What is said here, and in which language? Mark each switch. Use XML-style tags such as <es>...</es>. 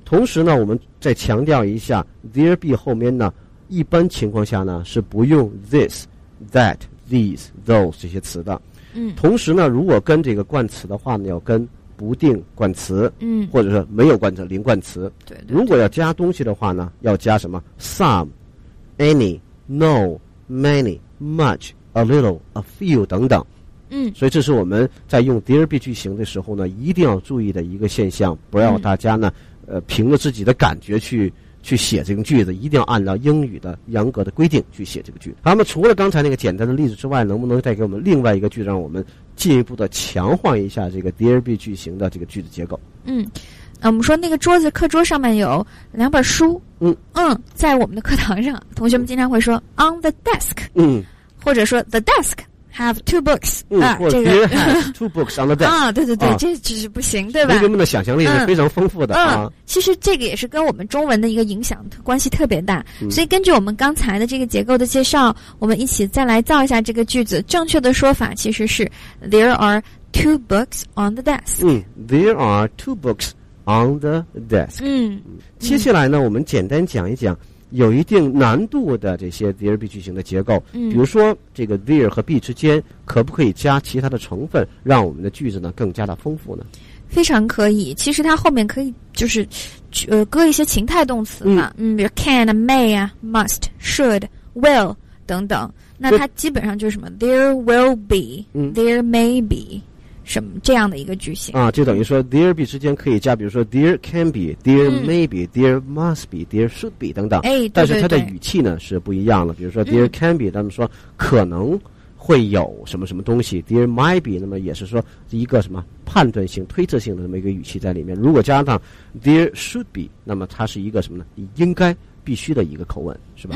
<zh>同时呢我们再强调一下 there be 后面呢一般情况下呢是不用 this that these those 这些词的，嗯，同时呢如果跟这个冠词的话呢要跟不定冠词，嗯，或者是没有冠词零冠词，对对对，如果要加东西的话呢要加什么 some any no many much a little a few 等等，嗯，所以这是我们在用 there be 句型的时候呢一定要注意的一个现象，不要大家呢，嗯，凭着自己的感觉去写这个句子，一定要按照英语的严格的规定去写这个句子。那么除了刚才那个简单的例子之外，能不能再给我们另外一个句子，让我们进一步的强化一下这个 there be 句型的这个句子结构？嗯，我们说那个桌子课桌上面有两本书，嗯嗯，在我们的课堂上同学们经常会说 on the desk，嗯，</zh> <en>或者说 the desk have two books，</en> <zh>嗯，啊，这个</zh> <en>has two books on the desk</en> <zh>啊，对对对，啊，这只是不行，对吧？同学们的想象力是非常丰富的，嗯，啊，其实这个也是跟我们中文的一个影响关系特别大，嗯，所以根据我们刚才的这个结构的介绍，我们一起再来造一下这个句子。正确的说法其实是 there are two books on the desk，嗯， there are two books on the desk，嗯，接下来呢，我们简单讲一讲有一定难度的这些 there be 句型的结构，嗯，比如说这个 there 和 be 之间可不可以加其他的成分，让我们的句子呢更加的丰富呢？非常可以，其实它后面可以就是搁一些情态动词嘛，嗯，比如 can、may、must、should、will 等等，那它基本上就是什么 there will be、 there may be 什么这样的一个句型啊，就等于说 there be 之间可以加，比如说 there can be、 there may be、 there must be、 there should be 等等，哎，对对对，但是它的语气呢是不一样的，比如说 there can be，他们说可能会有什么什么东西 there might be，那么也是说一个什么判断性推测性的这么一个语气在里面，如果加上 there should be，那么它是一个什么呢，应该必须的一个口吻，是吧？</zh>